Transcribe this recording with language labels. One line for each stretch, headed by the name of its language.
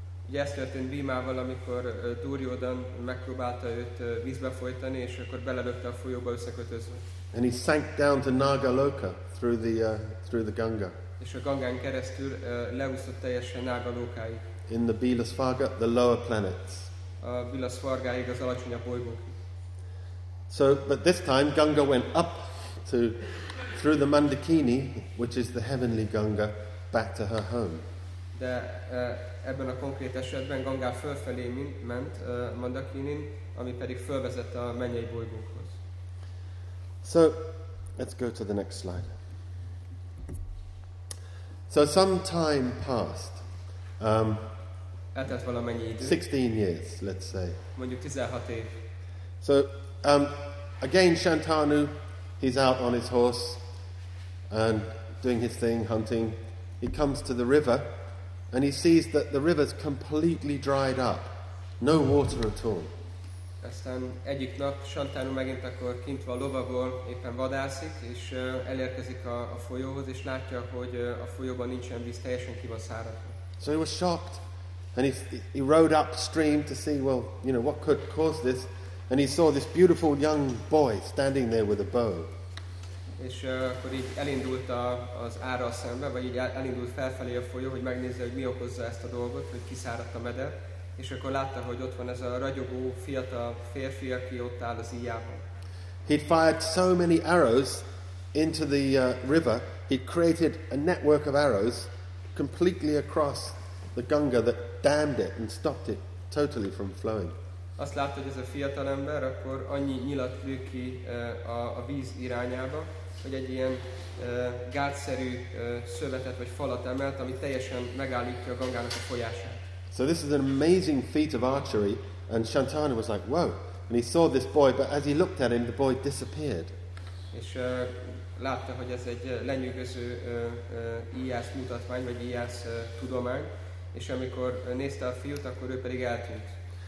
Hungarian: Yes, történt Bhimával, amikor Duryodhan megpróbálta őt vízbe folytani, és akkor belelőtte a folyóba összekötözve.
English: And he sank down to Nagaloka through the Ganga.
Hungarian: És a Gangán keresztül leúszott teljesen Nagalokáig.
English: In the Bilasvarga, the lower planets.
Hungarian: A Bilasvargáig, az alacsonyabb bolygókig.
English: So, but this time Ganga went up through the Mandakini, which is the heavenly Ganga, back to her home.
Hungarian: De ebben a konkrét esetben Ganga fölfelé ment Mandakinin, ami pedig fölvezette a mennyei bolygókhoz.
English: So, Let's go to the next slide. So some time passed. 16 years, let's say.
Hungarian: Mondjuk 16 év.
English: So again, Shantanu, he's out on his horse and doing his thing, hunting. He comes to the river and he sees that the river's completely dried up. No water at all.
Hungarian: Aztán egyik nap Shantanu megint akkor kint van a lovagol, éppen vadászik, és elérkezik a folyóhoz, és látja, hogy a folyóban nincsen víz, teljesen ki van száradva.
English: So he was shocked, and he rode upstream to see, well, you know, what could cause this, and he saw this beautiful young boy standing there with a bow.
Hungarian: És akkor így elindult az ára szembe, vagy így elindult felfelé a folyó, hogy megnézze, hogy mi okozza ezt a dolgot, hogy kiszáradt a meder. És akkor látta, hogy ott van ez a ragyogó fiatal férfi, aki ott áll az íjában.
English: He'd fired so many arrows into the river, he'd created a network of arrows completely across the Ganga that dammed it and stopped it totally from flowing.
Hungarian: Azt látta, hogy ez a fiatal ember akkor annyi nyilat lő ki a víz irányába, hogy egy ilyen gátszerű szövetet vagy falat emelt, ami teljesen megállítja a Gangának a folyását.
English: So this is an amazing feat of archery, and Shantanu was like, whoa. And he saw this boy, but as he looked at him, the boy disappeared.
Hungarian: És látta, hogy ez egy lenyűgöző íjász mutatvány, vagy íjász tudomány, és amikor nézte a fiút, akkor ő pedig eltűnt.